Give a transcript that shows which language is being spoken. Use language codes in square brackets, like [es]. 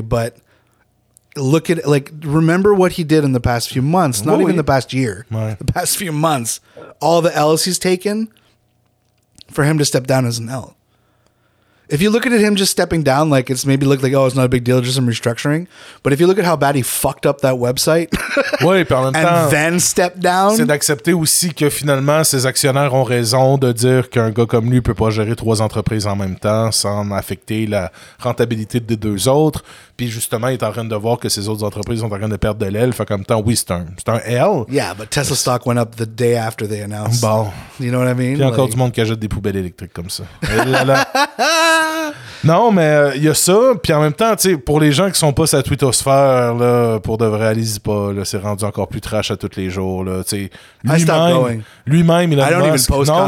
[en] But look at, like, remember what he did in the past few months, not even the past year, the past few months, all the L's he's taken, for him to step down is an L. If you look at him just stepping down, like, it's maybe looked like, oh, it's not a big deal, just some restructuring. But if you look at how bad he fucked up that website and then stepped down. [fr] C'est d'accepter aussi que finalement, ses actionnaires ont raison de dire qu'un gars comme lui ne peut pas gérer 3 entreprises en même temps sans affecter la rentabilité des 2 autres. Puis justement, il est en train de voir que ses autres entreprises sont en train de perdre de l'aile. Fait qu'en même temps, oui, c'est un L. [en] Yeah, but Tesla stock went up the day after they announced. [fr] Bon. [en] You know what I mean? [fr] Puis encore like... du monde qui achète des poubelles électriques comme ça. Là, là. Non, mais il y a ça. Puis en même temps, tu sais, pour les gens qui sont pas sur la Twittosphère, là, pour de vrai, allez-y pas. Là, c'est rendu encore plus trash à tous les jours. Là, tu sais, lui-même, il a Non,